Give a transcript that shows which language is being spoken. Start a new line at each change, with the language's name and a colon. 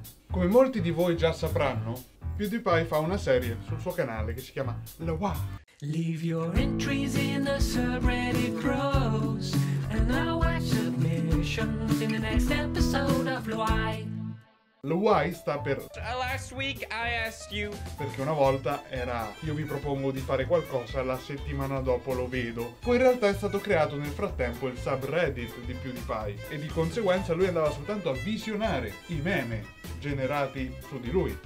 Italian: Come molti di voi già sapranno, PewDiePie fa una serie sul suo canale che si chiama Luai.
English: Leave your entries in the subreddit pros and Luai submissions in the next episode of Luai.
Italian: Luai sta per
English: Last week I asked you.
Italian: Perché una volta era io vi propongo di fare qualcosa, la settimana dopo lo vedo. Poi in realtà è stato creato nel frattempo il subreddit di PewDiePie e di conseguenza lui andava soltanto a visionare i meme generati su di lui.